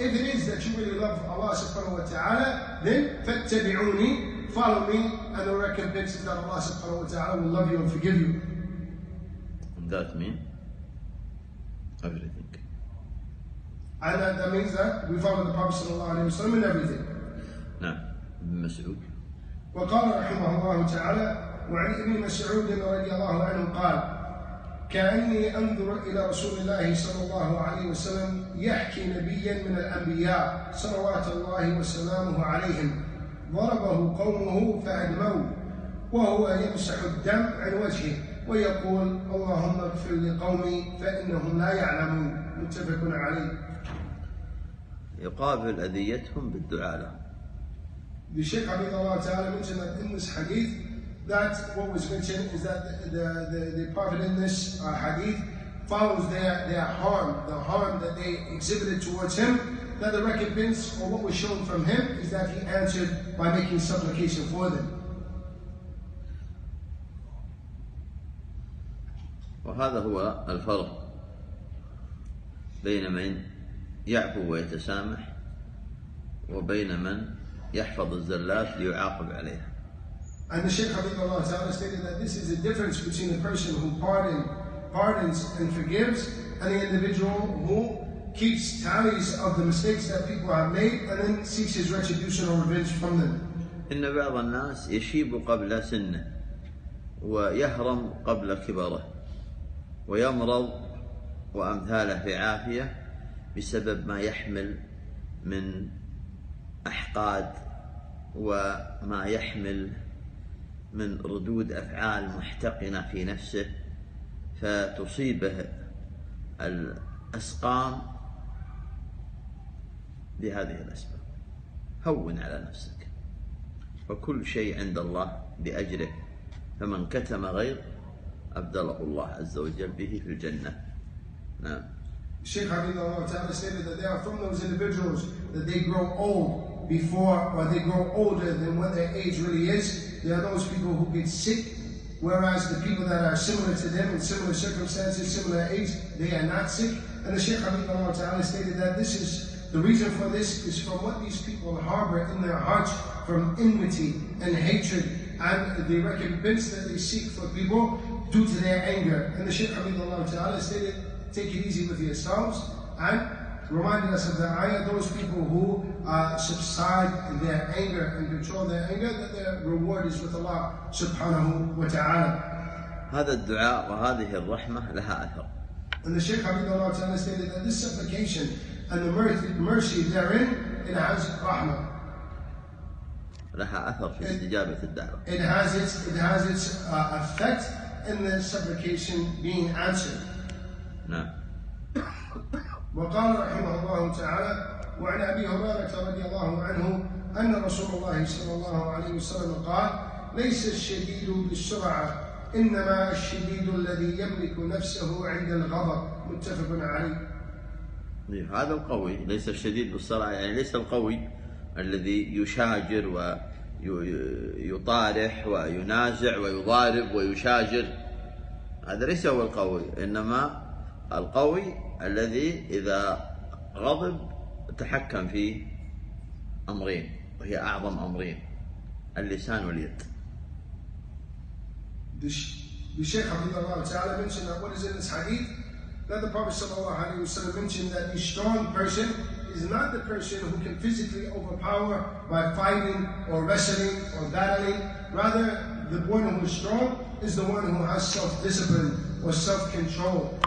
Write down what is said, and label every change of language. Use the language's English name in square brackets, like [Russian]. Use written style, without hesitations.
[English] If it is that you really love Allah subhanahu wa ta'ala, then فَاتَّبِعُونِي, follow me, and the recompense is that Allah subhanahu wa ta'ala will love you and forgive you. That mean? Everything. And that means that we follow the Prophet sallallahu alayhi wa sallam in everything. [Arabic] نعم ابن مسعود. وقال رحمه الله تعالى وعن ابن مسعود رضي الله عنه قال كأني أنظر إلى رسول الله صلى الله عليه وسلم يحكي نبيا من الأنبياء صلوات الله وسلامه عليهم ضربه قومه فأدموه وهو يمسح الدم عن وجهه ويقول اللهم اغفر لقومي فإنهم لا يعلمون. متفق عليه. يقابل أذيتهم بالدعاء. [English] The Shaykh Habibullah Ta'ala mentioned that in this hadith, that what was mentioned is that the Prophet in this hadith follows their harm, the harm that they exhibited towards him, that the recompense or what was shown from him is that he answered by making supplication for them. [Arabic] وهذا هو الفرق بين من يعفو ويتسامح وبين من يحفظ الزلات ليعاقب عليها. [English] And the Shaykh Habibullah Ta'ala stated that this is the difference between a person who pardons and forgives and the individual who keeps tallies of the mistakes that people have made and then seeks his retribution or revenge from them. [Arabic] إن بعض الناس يشيب قبل سنه ويهرم قبل كبره ويمرض وأمثاله في عافية بسبب ما يحمل من أحقاد وما يحمل من ردود أفعال محتقنة في نفسه فتصيبه الأسقام بهذه الأسباب. هون على نفسك، فكل شيء عند الله بأجره، فمن كتم غيظ أبدله الله عز وجل به في الجنة. نعم. [English] Shaykh Habibullah Ta'ala stated that they are from those individuals that they grow old before, or they grow older than what their age really is. They are those people who get sick, whereas the people that are similar to them in similar circumstances, similar age, they are not sick. And the Shaykh Habibullah Ta'ala stated that this is the reason for this is from what these people harbor in their hearts, from enmity and hatred, and the recompense that they seek for people due to their anger. And the Shaykh Habibullah Ta'ala stated, take it easy with yourselves, and reminding us of the ayah, those people who subside in their anger and control their anger, that their reward is with Allah subhanahu wa ta'ala. [Arabic] هذا الدعاء وهذه الرحمة لها أثر. [English] And the Sheikh Habibullah Ta'ala stated that this supplication and the mercy therein, it has rahmah. [Arabic] لها أثر في استجابة الدعوة. [English] It has its effect in the supplication being answered. [Arabic] نعم. وقال رحمه الله تعالى وعن أبي هريرة رضي الله عنه أن رسول الله صلى الله عليه وسلم قال ليس الشديد بالسرعة إنما الشديد الذي يملك نفسه عند الغضب. متفق عليه. هذا القوي ليس الشديد بالسرعة يعني ليس القوي الذي يشاجر ويطارح وينازع ويضارب ويشاجر, هذا ليس هو القوي, إنما القوي الذي إذا غضب تحكم في أمرين وهي أعظم أمرين اللسان واليد. [English] الشيخ عبد الله تعالى mentioned that what is in this hadith that the Prophet صلى الله عليه وسلم mentioned that the strong person is not the person who can physically overpower by fighting or wrestling or battling, rather the one who is strong is the one who has self-discipline or self-control.